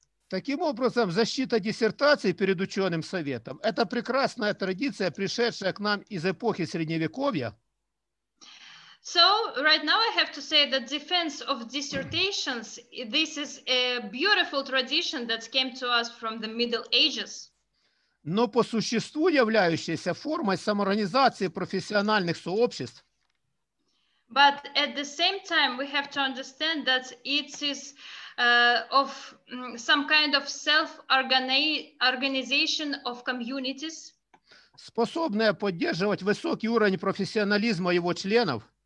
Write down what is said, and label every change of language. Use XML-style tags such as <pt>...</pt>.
<ru>Таким образом, защита диссертации перед ученым советом – это прекрасная традиция, пришедшая к нам из эпохи Средневековья.</ru> <en>So, right now I have to say that defense of dissertations, this is a beautiful tradition that came to us from the Middle Ages.</en> <ru>Но по существу являющаяся формой самоорганизации профессиональных сообществ.</ru> <en>But at the same time, we have to understand that it is of some kind of self-organization of communities.</en> <ru>Способная поддерживать высокий уровень профессионализма его членов.</ru>